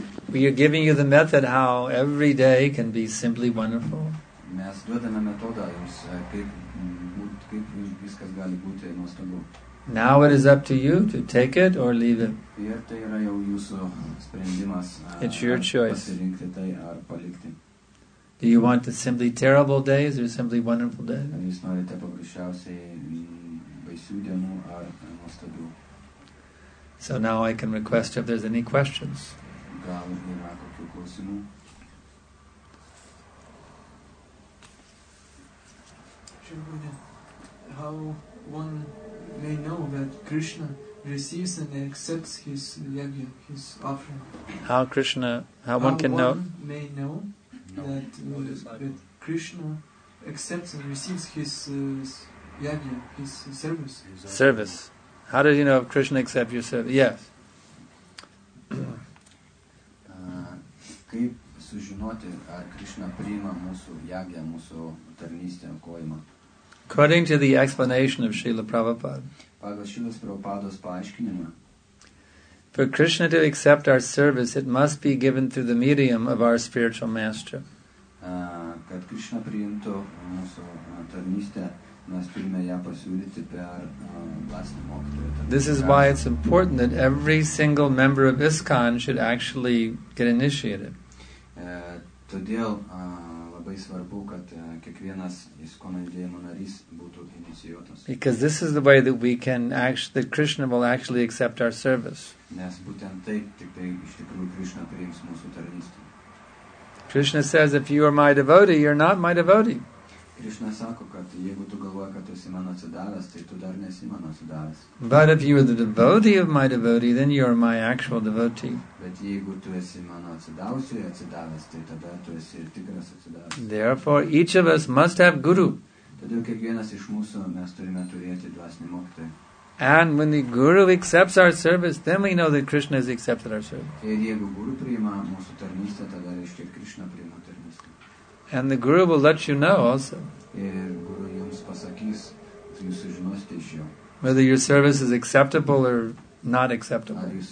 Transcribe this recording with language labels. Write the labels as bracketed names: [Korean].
[English] We are giving you the method how every day can be simply wonderful. [Lithuanian] Mes duodame metodą jums, kaip viskas gali būti nuostabu. [English] Now it is up to you to take it or leave it. [Lithuanian] Ir tai yra jau jūsų sprendimas. [English] It's your choice. [Lithuanian] Pasirinkti tai ar palikti. [English] Do you want the simply terrible days or simply wonderful days? [Lithuanian] Ar jūs norite paprasčiausiai baisių dienų ar nuostabių? [English] So now I can request if there's any questions. [Lithuanian] Gal yra kokių klausimų? [English] How one may know that Krishna receives and accepts his yajna, his offering? How Krishna, how one can one know? May know that, that Krishna accepts and receives his yajna, his service. Exactly. Service. How does he know if Krishna accepts your service? Yes. [Lithuanian] Kaip sužinoti, ar Krishna priima mūsų yajna, mūsų tarnystę, aukojimą? [English] According to the explanation of Srila Prabhupada, [Lithuanian] pagal Šilas Prabhupados paaiškinimą, [English] for Krishna to accept our service, it must be given through the medium of our spiritual master. [Lithuanian] Kad Krishna priimtų mūsų tarnystę, mes turime ją pasiūlyti per dvasinį mokytoją. [English] This is why it's important that every single member of ISKCON should actually get initiated. [Lithuanian] Todėl labai svarbu, kad kiekvienas ISKCON judėjimo narys būtų inicijuotas. [English] Because this is the way that we can actually, that Krishna will actually accept our service. [Lithuanian] Nes būtent taip, tik tai iš tikrųjų Krishna priims mūsų tarnystę. [English] Krishna says, if you are my devotee, you're not my devotee. [Lithuanian] Krishna sako, kad jeigu tu galvoji, kad tu esi mano atsidavęs, tai tu dar nesi mano atsidavęs. [English] But if you are the devotee of my devotee, then you are my actual devotee. [Lithuanian] Bet jeigu tu esi mano atsidavusiu atsidavęs, tai tada tu esi ir tikras atsidavęs. [English] Therefore, each of us must have guru. [Lithuanian] Todėl kiekvienas iš mūsų mes turime turėti dvasinį mokytoją. [English] And when the Guru accepts our service, then we know that Krishna has accepted our service. And the Guru will let you know also whether your service is acceptable or not acceptable.